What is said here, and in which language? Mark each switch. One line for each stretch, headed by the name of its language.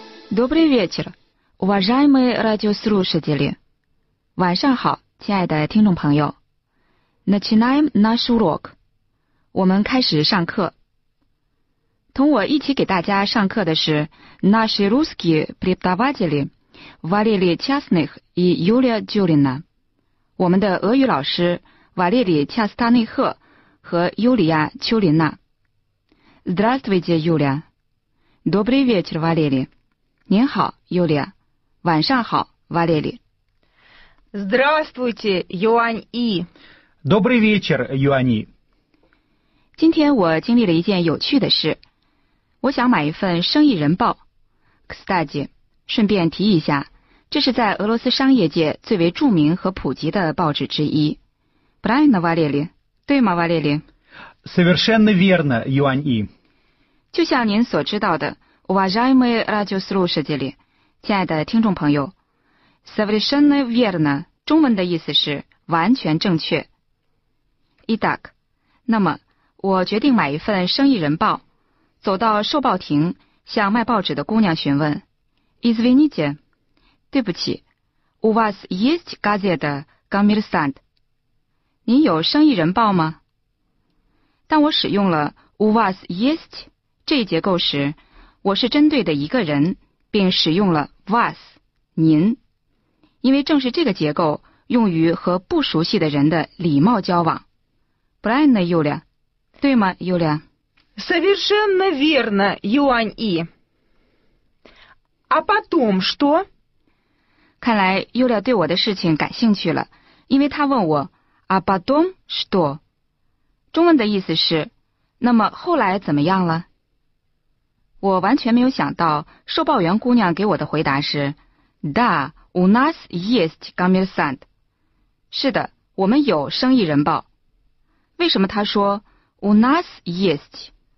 Russian: Добрый вечер, уважаемые радиослушатели.
Chinese: 晚上好，亲爱的听众朋友。
Russian: Начинаем наш урок.
Chinese: 我们开始上课。同我一起给大家上课的是
Russian: наши русские преподаватели
Chinese: Валерий Часных и Юлия Джулина. 我们的俄语老师瓦列里·恰斯塔内赫和尤里亚·丘琳娜。
Russian: Здравствуйте, Юлия. Добрый вечер, Валерий.
Chinese: 您好，尤里亚。晚上好，瓦列里。
Russian: Здравствуйте, Юань И. Добрый вечер, Юань И.
Chinese: 今天我经历了一件有趣的事。我想买一份生意人报。
Russian: Кстати,
Chinese: 顺便提一下，这是在俄罗斯商业界最为著名和普及的报纸之一。
Russian: Правильно, Валерий?
Chinese: 对吗，瓦列里
Russian: ？Совершенно верно, Юань И.
Chinese: 就像您所知道的。
Russian: Уважаемые радиослушатели,
Chinese: 亲爱的听众朋友
Russian: Совершенно верно,
Chinese: 中文的意思是完全正确。
Russian: Итак,
Chinese: 那么我决定买一份生意人报，走到售报亭向卖报纸的姑娘询问
Russian: Извините,
Chinese: 对不起
Russian: У вас есть газета коммерсант?
Chinese: 您有生意人报吗？当我使用了
Russian: У вас есть
Chinese: 这一结构时，我是针对的一个人，并使用了 was 您，因为正是这个结构用于和不熟悉的人的礼貌交往。
Russian: Правильно, Юля?
Chinese: 对吗
Russian: ，Юля? Совершенно верно, Юань И. А потом что?
Chinese: 看来 Юля 对我的事情感兴趣了，因为她问我
Russian: А потом что?
Chinese: 中文的意思是，那么后来怎么样了？我完全没有想到，售报员姑娘给我的回答是
Russian: Да, у нас есть коммерсант.
Chinese: 是的，我们有生意人报。为什么她说
Russian: у нас есть?